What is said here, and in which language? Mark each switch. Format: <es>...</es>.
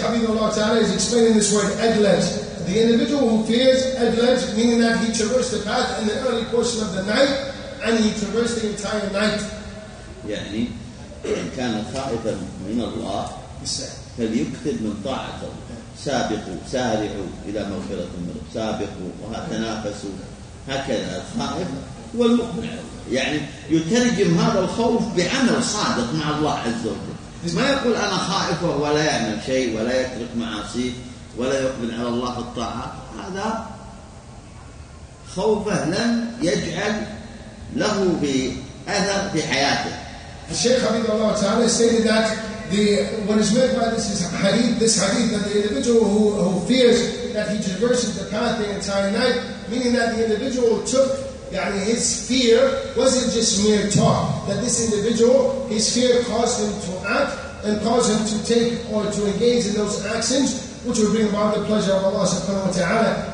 <en>حبيب الله تعالى is explaining this word أجلج. The individual who fears أجلج, meaning that he traversed the path in the early portion of the night and he traversed the entire night.</en> <ar>يعني إن كان خائفا من الله فليكثر من طاعته. سابقوا سارعوا إلى مغفرة الله, سابقوا وتنافسوا, هكذا الخائف والمقبل. يعني يترجم هذا الخوف بعمل صادق مع الله عز وجل. ما يقول أنا خائف ولا يعمل شيء ولا يترك معاصيه ولا يقبل على الله الطاعة, هذا خوفه لن يجعل له بأثر في حياته.</ar> <en>الشيخ حبيب الله تعالى stated that what is meant by this is hadith, this hadith that the individual who fears that he traverses the path the entire night, meaning that the individual took يعني his fear wasn't just mere talk, that this individual, his fear caused him to act and caused him to take or to engage in those actions which would bring about the pleasure of Allah subhanahu wa ta'ala.</en>